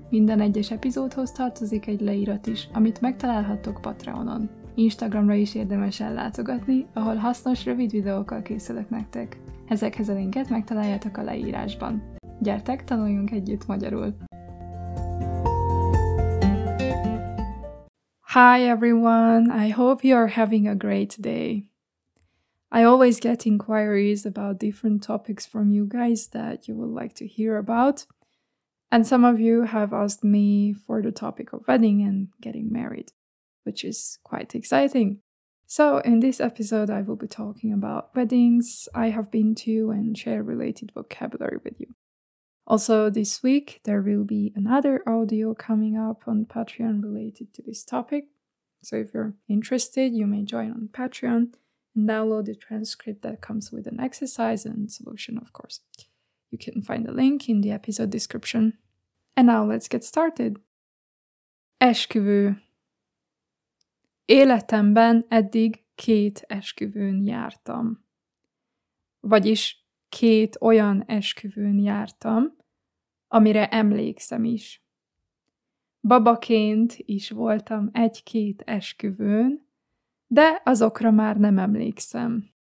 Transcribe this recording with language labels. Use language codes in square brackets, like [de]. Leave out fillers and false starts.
[hu] Minden egyes epizódhoz tartozik egy leírat is, amit megtalálhattok Patreonon. Instagramra is érdemes ellátogatni, ahol hasznos, rövid videókkal készülök nektek. Ezekhez a linket megtaláljátok a leírásban. Gyertek, tanuljunk együtt magyarul! [en] Hi everyone, I hope you are having a great day. I always get inquiries about different topics from you guys that you would like to hear about. And some of you have asked me for the topic of wedding and getting married, which is quite exciting. So in this episode, I will be talking about weddings I have been to and share related vocabulary with you. Also, this week, there will be another audio coming up on Patreon related to this topic. So if you're interested, you may join on Patreon and download the transcript that comes with an exercise and solution, of course. You can find the link in the episode description. And now let's get started. Esküvő. [hu] Életemben eddig két esküvőn jártam. Vagyis két olyan esküvőn jártam, amire emlékszem is. Babaként is voltam egy-két esküvőn, de azokra már nem emlékszem.